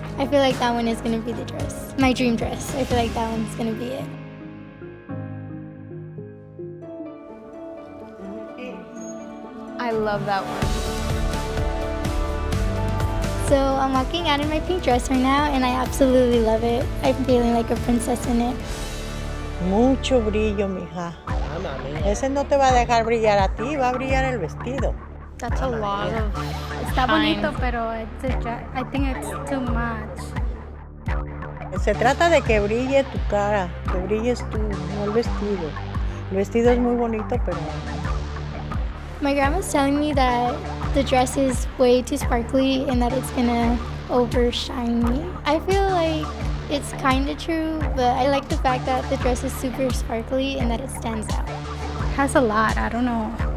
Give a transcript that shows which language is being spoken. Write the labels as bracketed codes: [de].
[en] I feel like that one is going to be the dress, my dream dress. I feel like that one's going to be it. Okay. I love that one. So I'm walking out in my pink dress right now, and I absolutely love it. I'm feeling like a princess in it. [es] Mucho brillo, mija. Ese no te va a dejar brillar a ti, va a brillar el vestido. [en] That's a lot of fine. [es] Está bonito, pero [en] I think it's too much. [es] Se trata de que brille tu cara, que brilles tú, no el vestido. El vestido es muy bonito, pero... [en] My grandma's telling me that the dress is way too sparkly and that it's gonna overshine me. I feel like it's kind of true, but I like the fact that the dress is super sparkly and that it stands out. It has a lot, I don't know.